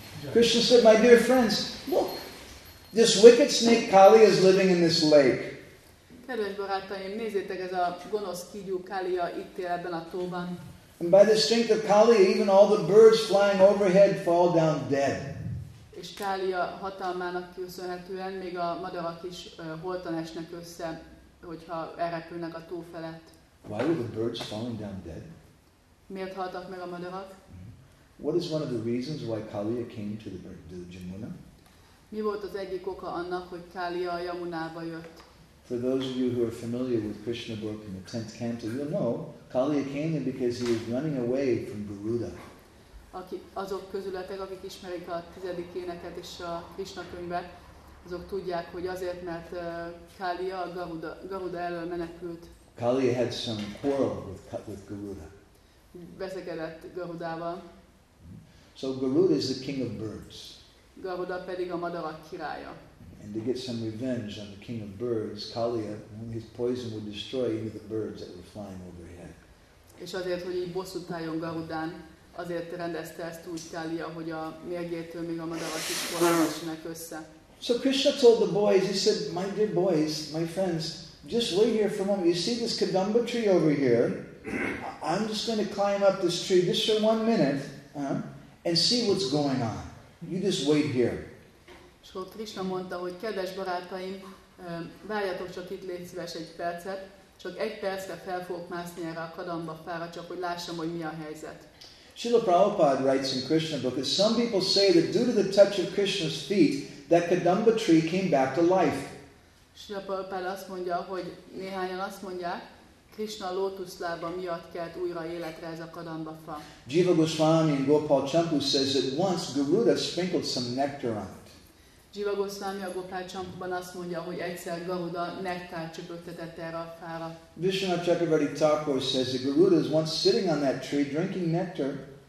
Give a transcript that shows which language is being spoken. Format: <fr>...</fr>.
<en>Krishna said, my dear friends, look, This wicked snake Kali is living in this lake.</en> <hu>Kedves barátaim, nézzétek, ez a gonosz kígyó Kália itt él ebben a tóban.</hu> <en>And by the strength of Kali, even all the birds flying overhead fall down dead.</en> <hu>És Kália hatalmának köszönhetően még a madarak is holtan esnek össze, hogyha elrepülnek a tó felett.</hu> <en>Why were the birds falling down dead?</en> <hu>Miért haltak meg a madarak?</hu> <en>What is one of the reasons why Kalia came to the Jamuna?</en> <hu>Mi volt az egyik oka annak, hogy Kália a Jamunába jött?</hu> <en>For those of you who are familiar with Krishna book in the 10th canto, you'll know Kalia came there because he was running away from Garuda.</en> <hu>Azok közületek, akik ismerik a 10. éneket és a Krishna könyvet, azok tudják, hogy azért, mert Kália a Garuda elől menekült.</hu> <en>Kalia had some quarrel with Garuda.</en> <hu>Veszekedett Garudával.</hu> <en>So Garuda is the king of birds.</en> <hu>Garuda pedig a madarak királya.</hu> <en>And to get some revenge on the king of birds, Kalia, his poison would destroy any of the birds that were flying overhead.</en> <hu>És azért, hogy így bosszút álljon Garudán, azért rendezte ezt úgy Kalia, hogy a mérgétől még a madarak is forrásnak össze.</hu> <en>So Krishna told the boys, he said, my dear boys, my friends, just wait here for a moment. You see this kadamba tree over here? I'm just going to climb up this tree just for 1 minute and see what's going on. You just wait here.</en> <hu>És akkor Krishna mondta, hogy kedves barátaim, várjatok csak itt, légy szíves egy percet, csak egy percre fel fogok mászni erre a kadamba fára, csak hogy lássam, hogy mi a helyzet.</hu> <en>Srila Prabhupada writes in Krishna book that some people say that due to the touch of Krishna's feet, that kadamba tree came back to life.</en> <hu>Srila Prabhupada azt mondja, hogy néhányan azt mondják, Krishna lótuszlába miatt kelt újra életre ez a kadamba fa.</hu> <en>Jiva Goswami in Gopal Champu says that once Garuda sprinkled some nectar on it.</en> <hu>Jiva Goswami a Gopal Champuban azt mondja, hogy egyszer Garuda nektár csöpögtetett erre a fára.</hu> <en>Vishnu Chakravarti Thakur says that Garuda is once sitting on that tree drinking nectar.</en>